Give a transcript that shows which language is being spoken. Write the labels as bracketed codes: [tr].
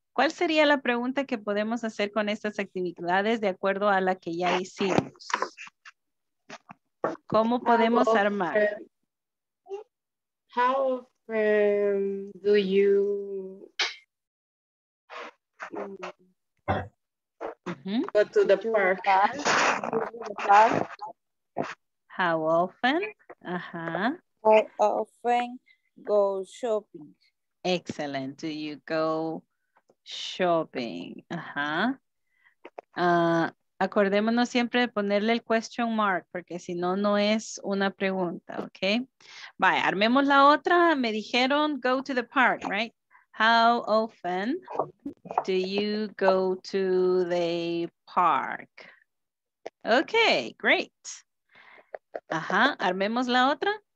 [es] ¿Cuál sería la pregunta que podemos hacer con estas actividades de acuerdo a la que ya hicimos? ¿Cómo podemos armar? [en] How often do you go to the park? How often? Uh-huh. How often go shopping? Excellent. Do you go shopping? Uh-huh. [es] Acordémonos siempre de ponerle el [en] question mark, [es] porque si no, no es una pregunta, ¿ok? Vaya, armemos la otra. Me dijeron [en] go to the park, right? How often do you go to the park? Ok, great. [es] Ajá, armemos la otra.